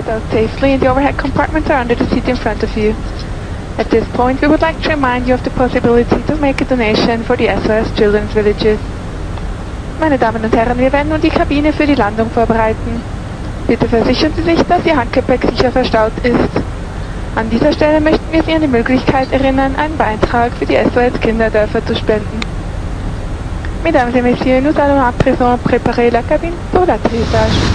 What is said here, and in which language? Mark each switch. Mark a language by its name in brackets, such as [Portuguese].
[English] Safely in the overhead compartments or under the seat in front of you. At this point, we would like to remind you of the possibility to make a donation for the SOS Children's Villages. [German] Meine Damen und Herren, wir werden nun die Kabine für die Landung vorbereiten. Bitte versichern Sie sich, dass Ihr Handgepäck sicher verstaut ist. An dieser Stelle möchten wir Sie an die Möglichkeit erinnern, einen Beitrag für die SOS Kinderdörfer zu spenden. [French] Mesdames et Messieurs, nous allons à présent préparer la cabine pour l'atterrissage.